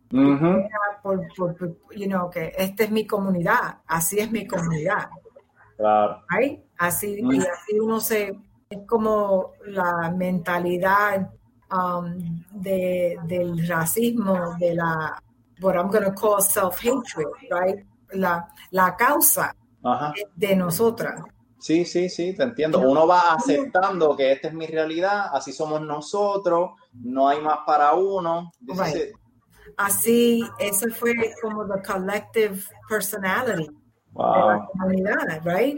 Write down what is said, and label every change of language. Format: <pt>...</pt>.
<en>You know,</en> <es>que esta es mi comunidad, así es mi comunidad. Claro.</es> <en>Right?</en> <es>Así, y así uno se... Es como la mentalidad del racismo, de la</es> <en>what I'm going to call self-hatred, right?</en> <es>La causa de nosotras. Sí, sí, sí, te entiendo. Uno va aceptando que esta es mi realidad, así somos nosotros, no hay más para uno. Así, eso fue como</es> <en>the collective personality. Wow.</en> <es>De la comunidad,</es> <en>right?</en>